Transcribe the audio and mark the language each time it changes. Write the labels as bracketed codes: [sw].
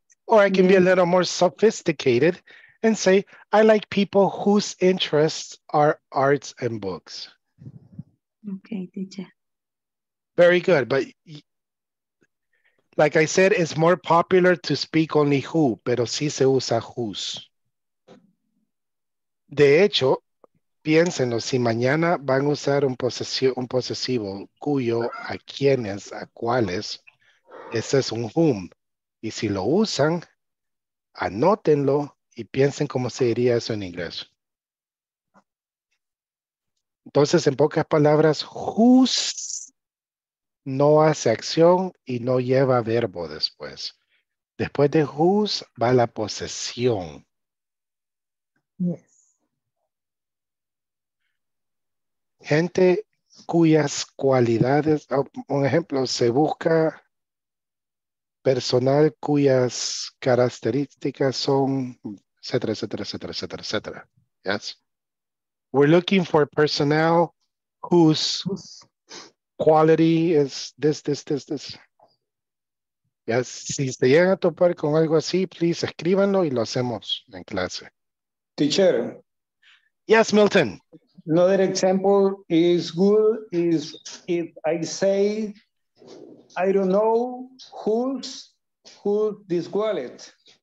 [en] Or I can be a little more sophisticated and say, I like people whose interests are arts and books. Okay, teacher. Very good. But like I said, it's more popular to speak only who, [es] pero sí se usa whose. De hecho, piénsenlo, si mañana van a usar un posesivo, cuyo, a quienes, a cuáles, ese es un whom. Y si lo usan, anótenlo y piensen cómo se diría eso en inglés. Entonces, en pocas palabras, whose no hace acción y no lleva verbo después. Después de whose va la posesión. [en] Yes. [es] Gente, cuyas cualidades, un ejemplo, se busca personal cuyas características son, etcétera, etcétera, etcétera, etcétera, etcétera. [en] Yes. We're looking for personnel whose quality is this, this, this, this. Yes. [es] Si se llegan a topar con algo así, please escríbanlo y lo hacemos en clase. [en] Teacher. Yes, Milton. Another example is good is if I say, I don't know who's this wallet.